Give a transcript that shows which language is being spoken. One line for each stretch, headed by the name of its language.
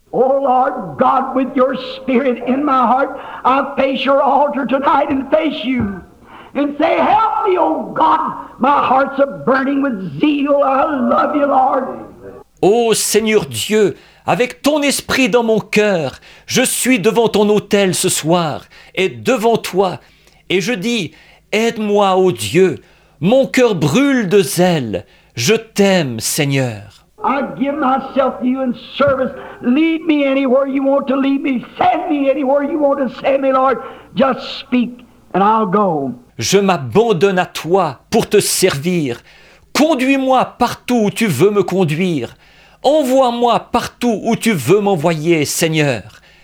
English: Oh Lord God, with your spirit in my heart, I face your altar tonight and face you. And say, help me, oh God, my heart's a burning with zeal, I love you, Lord.
French: Ô Seigneur Dieu, avec ton esprit dans mon cœur, je suis devant ton autel ce soir et devant toi. Et je dis, aide-moi, ô Dieu, mon cœur brûle de zèle, je t'aime, Seigneur.
English: I give myself to you in service. Lead me anywhere you want to lead me. Send me anywhere you want to send me, Lord. Just speak and I'll go.
French: Je m'abandonne à toi pour te servir. Conduis-moi partout où tu veux me conduire. Envoie-moi partout où tu veux m'envoyer, Seigneur.